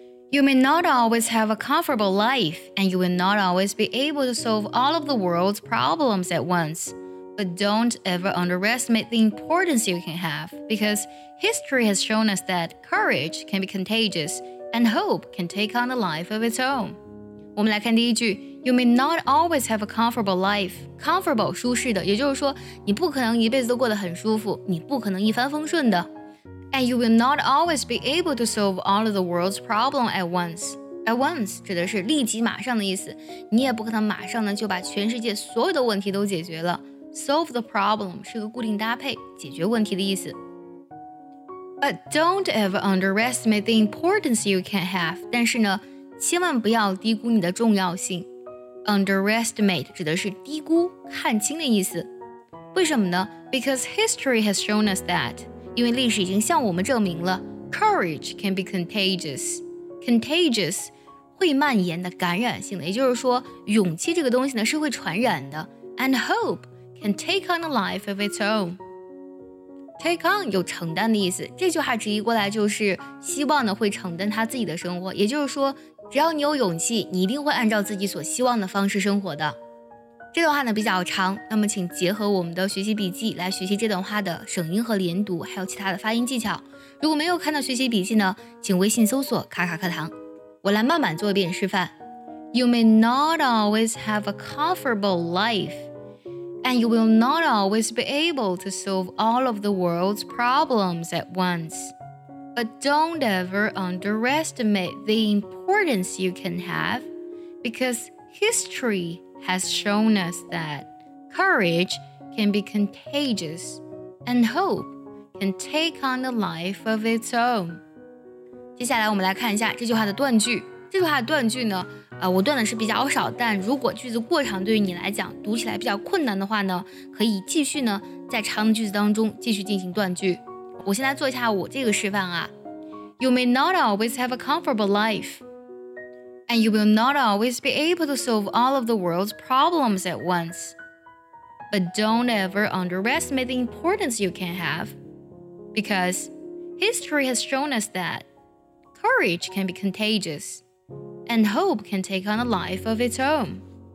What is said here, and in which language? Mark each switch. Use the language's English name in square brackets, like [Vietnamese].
[English] You may not always have a comfortable life and you will not always be able to solve all of the world's problems at onceBut don't ever underestimate the importance you can have, because history has shown us that courage can be contagious and hope can take on a life of its own. [Chinese] 我们来看第一句， [English] You may not always have a comfortable life. [Chinese] Comfortable, 舒适的，也就是说你不可能一辈子都过得很舒服，你不可能一帆风顺的。 [English] And you will not always be able to solve all of the world's problems at once. [Chinese] At once, 指的是立即马上的意思，你也不可能马上呢就把全世界所有的问题都解决了。 [English] Solve the problem [Chinese] 是个固定搭配，解决问题的意思。 [English] But don't ever underestimate the importance you can have. [Chinese] 但是呢，千万不要低估你的重要性。 Underestimate 指的是低估、看轻的意思。为什么呢？ [English] Because history has shown us that. [Chinese] 因为历史已经向我们证明了 [English] courage can be contagious. [Chinese] Contagious 会蔓延的、感染性的，也就是说，勇气这个东西呢是会传染的。 [English] And hope. And take on a life of its own. [Chinese] Take on 有承担的意思，这句话直译过来就是希望呢会承担他自己的生活，也就是说只要你有勇气，你一定会按照自己所希望的方式生活的。这段话呢比较长，那么请结合我们的学习笔记来学习这段话的省音和连读，还有其他的发音技巧。如果没有看到学习笔记呢，请微信搜索卡卡课堂，我来慢慢做一遍示范。 [English] You may not always have a comfortable lifeAnd you will not always be able to solve all of the world's problems at once. But don't ever underestimate the importance you can have, because history has shown us that courage can be contagious and hope can take on a life of its own. [Chinese] 接下来我们来看一下这句话的断句。这句话的断句呢，我断的是比较少，但如果句子过长对于你来讲读起来比较困难的话呢，可以继续呢在长的句子当中继续进行断句。我先来做一下我这个示范啊。 [English] You may not always have a comfortable life and you will not always be able to solve all of the world's problems at once, but don't ever underestimate the importance you can have, because history has shown us that courage can be contagiousAnd hope can take on a life of its own.